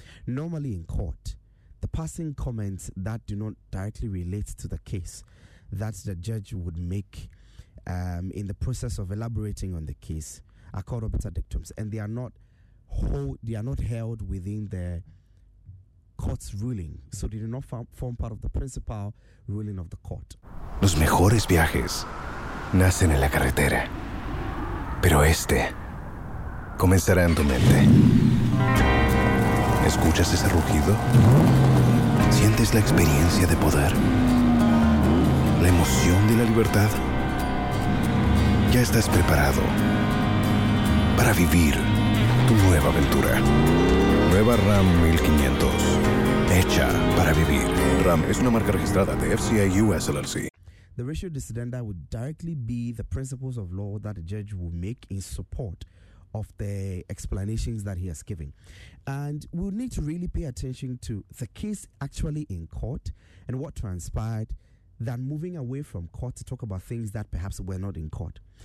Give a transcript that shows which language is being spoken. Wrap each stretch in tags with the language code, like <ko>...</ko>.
<en>Normally in court, the passing comments that do not directly relate to the case that the judge would make in the process of elaborating on the case are called obiter dictums, and they are not held within the court's ruling, so they do not form part of the principal ruling of the court.</en> <es>Los mejores viajes nacen en la carretera, pero este comenzará en tu mente. ¿Escuchas ese rugido? ¿Sientes la experiencia de poder? ¿La emoción de la libertad? Ya estás preparado para vivir tu nueva aventura. Nueva Ram 1500. Hecha para vivir. Ram es una marca registrada de FCA US LLC.</es> <en>The ratio decidendi would directly be the principles of law that a judge will make in support of the explanations that he has given. And we'll need to really pay attention to the case actually in court and what transpired, than moving away from court to talk about things that perhaps were not in court.</en>